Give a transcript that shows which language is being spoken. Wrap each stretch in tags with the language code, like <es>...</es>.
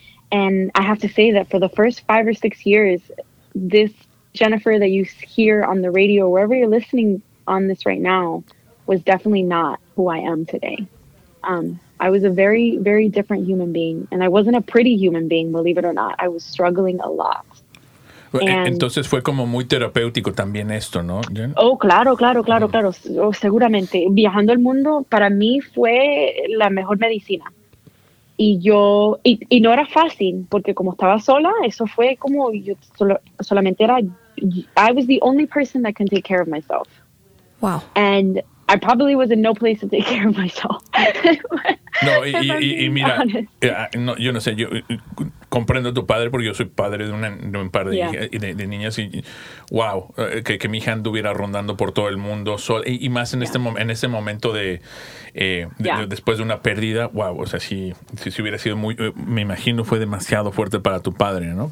<en>And I have to say that for the first 5 or 6 years, this Jennifer that you hear on the radio, wherever you're listening on this right now, was definitely not who I am today. I was a very, very different human being. And I wasn't a pretty human being, believe it or not. I was struggling a lot.</en> <es>Entonces fue como muy terapéutico también esto, ¿no, Jen? Oh, claro, claro, claro, uh-huh. claro. Oh, seguramente. Viajando el mundo, para mí fue la mejor medicina. Y no era fácil, porque como estaba sola, eso fue como yo solamente era...</es> <en>I was the only person that can take care of myself. Wow. And I probably was in no place to take care of myself.</en> <es>No, y mira, no, yo no sé, yo comprendo a tu padre porque yo soy padre de un par de yeah. hijas, de niñas y wow, que mi hija anduviera rondando por todo el mundo sola y más en yeah. este momento de después de una pérdida, wow, o sea, si hubiera sido muy, me imagino fue demasiado fuerte para tu padre, ¿no?</es>